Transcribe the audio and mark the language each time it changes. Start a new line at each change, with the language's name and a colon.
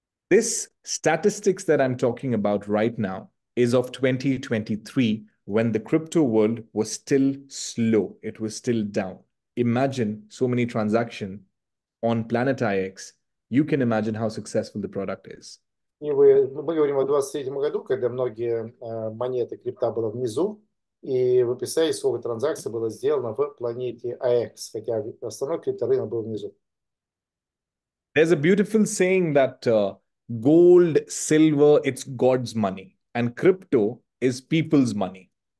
English: This statistics that I'm talking about right now is of 2023, when the crypto world was still slow. It was still down. Imagine so many transactions on Planet IX. You can imagine how successful the product is.
Russian: И мы говорим о 2023 году, когда многие монеты крипта было внизу, и вы представляете, сколько транзакций было сделано в планете IX, хотя основной крипторынок был внизу.
English: There's a beautiful saying that gold, silver, it's God's money, and crypto is people's money.